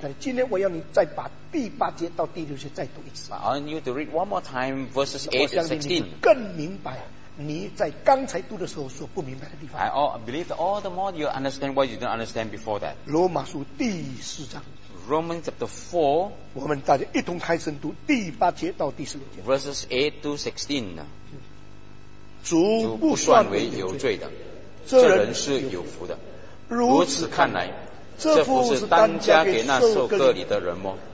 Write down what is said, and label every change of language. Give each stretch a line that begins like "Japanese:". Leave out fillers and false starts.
Chinese: 但今天我要你再把第八节到第六节再读一次。
English: I want you to read one more time verses 8 to 16.
Chinese: 更明白你在刚才读的时候所不明白的地方。
English: I believe that all the more you understand what you don't understand before that.
Chinese: 罗马书第四章。
English: Romans chapter 4.
Chinese: 我们大家一同开声读第八节到第十六节。
English: Verses 8 to 16.
Chinese: 主不算为有罪的，这人是有福的。如此看来，这福是单加给那受割礼的人么？